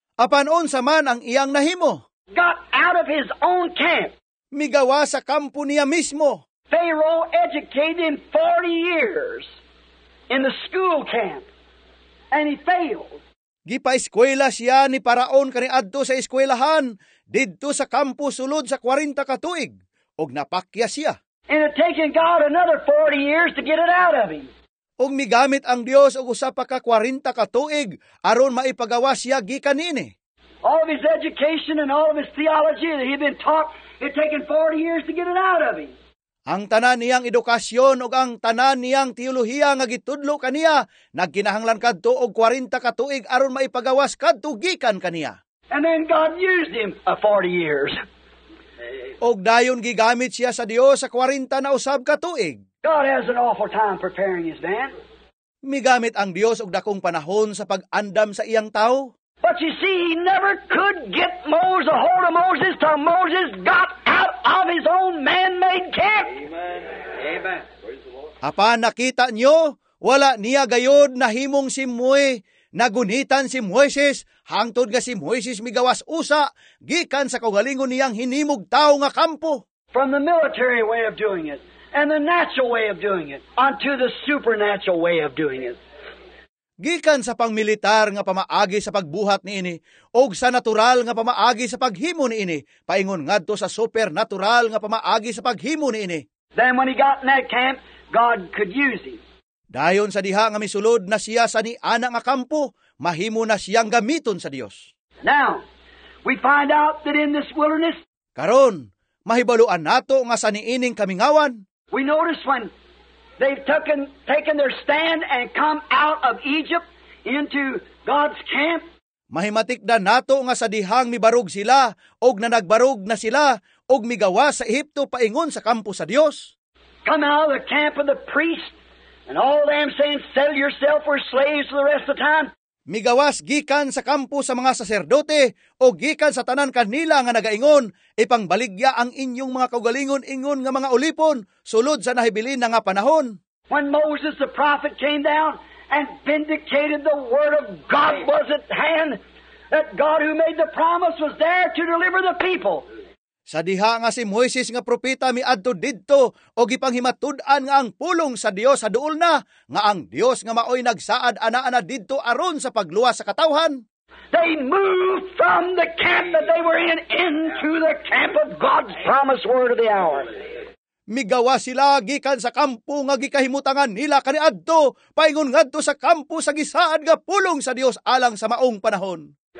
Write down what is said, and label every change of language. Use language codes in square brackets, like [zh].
[ceb] Apan unsa man ang iyang nahimo? [en] Got out of his own camp. [ceb] Migawa sa kampo niya mismo. [en] Pharaoh educated him 40 years in the school camp. And he failed. [ceb] Gipa-eskwela siya ni Paraon kaniadto sa eskwelahan. Didto sa kampo sulod sa 40 katuig. Og napakya siya. [en] And it taken God another 40 years to get it out of him. [ceb] Og migamit ang Dios og usa pa ka 40 katuig aron maipagawa siya gikanini. [en] All of his education and all of his theology that he'd been taught, it taken 40 years to get it out of him. [ceb] Ang tanan niyang edukasyon o ang tanan niyang teolohiya nga gitudlo kaniya, nagkinahanglan kadto og 40 katuig aron maipagawas kadto gikan kaniya. [en] And then God used him 40 years. [ceb] Og dayon gigamit siya sa Dios sa 40 na usab katuig. [en] God has an awful time preparing his man. [ceb] Migamit ang Dios og dakong panahon sa pag-andam sa iyang tao. [en] But you see, he never could get Moses, a hold of Moses, till Moses got out of his own man-made camp. Amen. Amen. [ceb] Apan nakita niyo, wala niya gayod na himong si Moy, nagunitan si Moises, hangtod nga si Moises migawas usa, gikan sa kaugalingon niyang hinimog tao nga kampo. [en] From the military way of doing it, and the natural way of doing it, onto the supernatural way of doing it. [ceb] Gikan sa pangmilitar nga pamaagi sa pagbuhat niini og sa natural nga pamaagi sa paghimo niini paingon ngadto sa supernatural nga pamaagi sa paghimo niini. [en] Then when he got in that camp, God could use him. [ceb] Dayon sa diha nga misulod na siya sa niana nga kampo, mahimo na siyang gamiton sa Dios. [en] Now, we find out that in this wilderness, [ceb] karon mahibaluan nato nga sa niining kamingawan. [en] We notice when they've taken their stand and come out of Egypt into God's camp. [ceb] Mahimatikdan nato nga sa dihang mibarug sila og nanagbarug na sila og migawa sa Ehipto paingon sa kampo sa Dios. [en] Come out of the camp of the priest and all them saying, sell yourself or slaves for the rest of the time. [ceb] Migawas gikan sa kampo sa mga saserdote o gikan sa tanan kanila nga nagaingon, ipangbaligya ang inyong mga kaugalingon ingon nga mga ulipon sulod sa nahibilin na nga panahon. [en] When Moses the prophet came down and vindicated the word of God was at hand, that God who made the promise was there to deliver the people. [ceb] Sa diha nga si Moises nga propeta miadto didto o gipanghimatud-an nga ang pulong sa Dios sa duol na nga ang Dios nga maoy nagsaad ana-ana didto aron sa pagluwas sa katawhan. [en] They moved from the camp that they were in into the camp of God's promised word of the hour. [ceb] Migawa sila gikan sa kampo nga gikahimutangan nila kaniadto paingon ngadto sa kampo sa gisaad nga pulong sa Dios alang sa maong panahon.